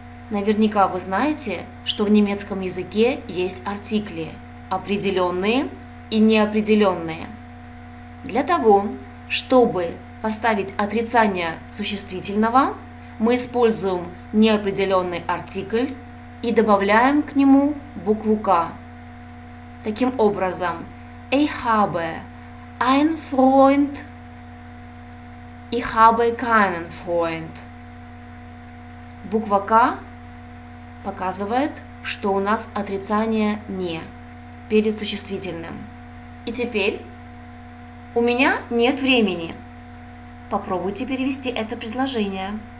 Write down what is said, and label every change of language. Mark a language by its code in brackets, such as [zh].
[ru] Наверняка вы знаете, что в немецком языке есть артикли определенные и неопределенные. Для того, чтобы поставить отрицание существительного, мы используем неопределенный артикль и добавляем к нему букву К. Таким образом, [de] ich habe einen Freund, ich habe keinen Freund. [ru] Буква К показывает, что у нас отрицание «не» перед существительным. И теперь «у меня нет времени». Попробуйте перевести это предложение.